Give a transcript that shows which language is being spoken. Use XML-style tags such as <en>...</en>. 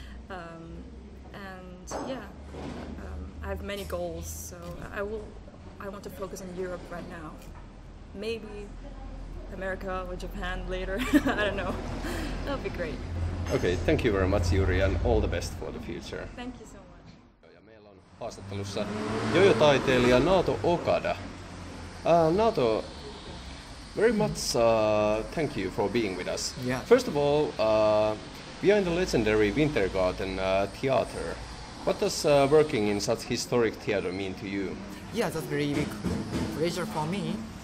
<en>I have many goals, so I want to focus on Europe right now. Maybe America or Japan later. I don't know. That'd be great. Okay, thank you very much, Yuri, and all the best for the future. Thank you so much.</en> <fi>Ja meillä on haastattelussa jojo-taiteilija Naoto Okada.</fi> <en>Naoto, very much thank you for being with us. Yeah. First of all, we are in the legendary Wintergarten Theater. What does working in such historic theater mean to you? Yeah, that's very big pleasure for me.</en>